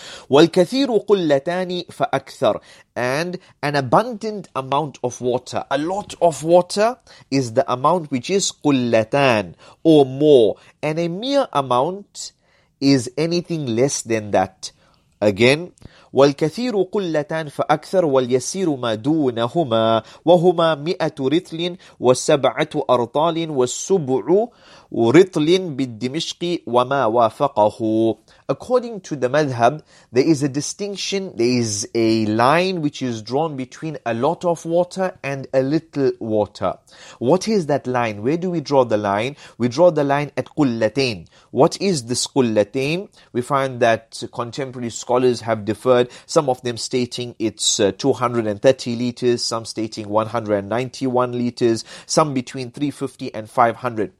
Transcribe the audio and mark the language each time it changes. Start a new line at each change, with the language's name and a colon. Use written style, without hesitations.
Arabic: والكثير قلتان فأكثر.
English: And an abundant amount of water, a lot of water, is the amount which is قلتان or more, and a mere amount is anything less than that. Again,
Arabic: والكثير قلتان فأكثر واليسير ما دونهما وهما مئة رطل وسبعة أرطال والسبع رطل بالدمشق وما وافقه.
English: According to the madhab, there is a distinction, there is a line which is drawn between a lot of water and a little water. What is that line? Where do we draw the line? We draw the line at qullatain. What is this qullatain? We find that contemporary scholars have differed, some of them stating it's 230 liters, some stating 191 liters, some between 350 and 500.